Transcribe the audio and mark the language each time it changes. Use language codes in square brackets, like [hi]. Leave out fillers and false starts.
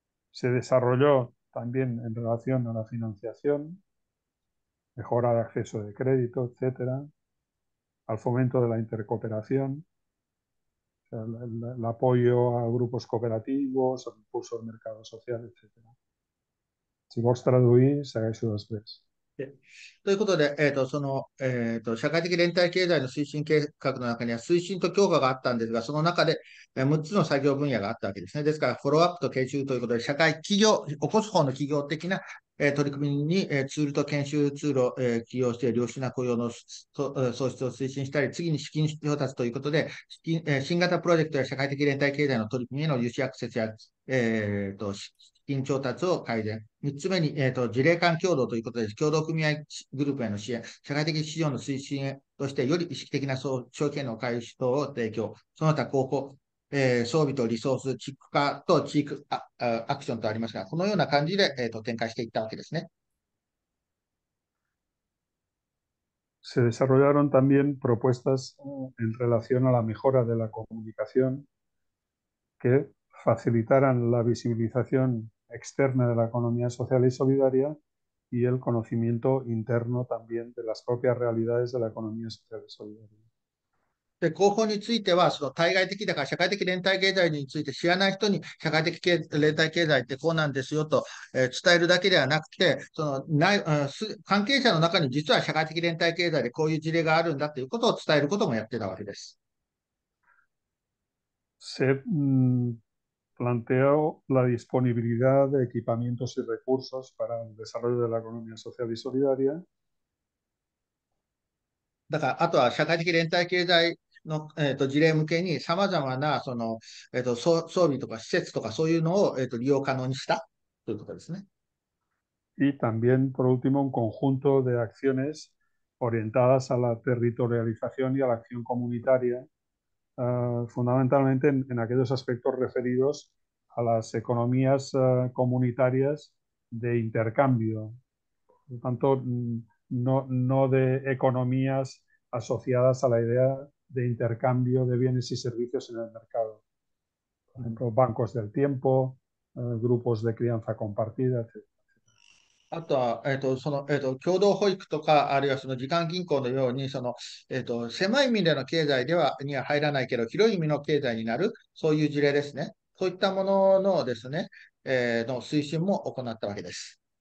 [es] Se desarrolló también en relación a la financiación, mejora de acceso de crédito, etcétera, al fomento de la intercooperación. El apoyo a grupos cooperativos, al impulso del mercado social, etcétera. Si vos traduís, hagáis los tres. [ja] ということで、社会的連帯経済の推進計画の中には推進と強化があったんですが、その中で6つの作業分野があったわけですね。ですから、フォローアップと研修ということで、社会企業、起こす方の企業的な取り組みに、ツールと研修ツールを起用して、良質な雇用の創出を推進したり、次に資金調達ということで、新型プロジェクトや社会的連帯経済の取り組みへの融資アクセスや、資金調達を改善。 3つ目に、事例間協働ということで、協同組合グループへの支援、社会的市場の推進として、より意識的な証券の買収等を提供、その他、装備とリソース、地区化と地域アクションとありますが、このような感じで、展開していったわけですね。 [es] Se desarrollaron también propuestas en relación a la mejora de la comunicación que facilitaran la visibilización externa de la economía social y solidaria y el conocimiento interno también de las propias realidades de la economía social y solidaria. [ja] で、広報についてはその対外的だから社会的連帯経済について知らない人に社会的連帯経済ってこうなんですよと伝えるだけではなくて、その内、関係者の中に実は社会的連帯経済でこういう事例があるんだということを伝えることもやってたわけです。 [es] Se planteó la disponibilidad de equipamientos y recursos para el desarrollo de la economía social y solidaria. [ja] だから、あとは社会的連帯経済の、事例向けにさまざまなその、装備とか施設とかそういうのを、利用可能にしたということですね。 [es] Y también, por último, un conjunto de acciones orientadas a la territorialización y a la acción comunitaria, fundamentalmente en aquellos aspectos referidos a las economías, comunitarias de intercambio. Por lo tanto, no de economías asociadas a la idea de intercambio de bienes y servicios en el mercado. Por ejemplo, bancos del tiempo, grupos de crianza compartida, etc. [ja] あとは、共同保育とか、あるいはその時間銀行のように、その、狭い意味での経済では、には入らないけど、広い意味の経済になる、そういう事例ですね。そういったもののですね、の推進も行ったわけです。